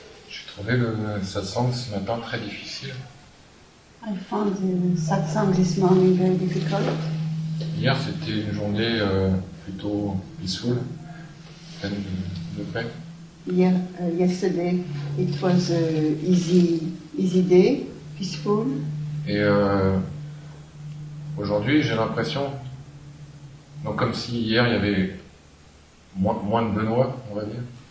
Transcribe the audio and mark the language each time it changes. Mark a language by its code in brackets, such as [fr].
[fr] J'ai trouvé le satsang ce matin très difficile. [en] I found the satsang this morning very difficult. [fr] Hier, c'était une journée plutôt peaceful, pleine de paix. [en] Yesterday, it was an easy day, peaceful. [fr] Et aujourd'hui, j'ai l'impression, donc comme si hier, il y avait moins de Benoît, on va dire.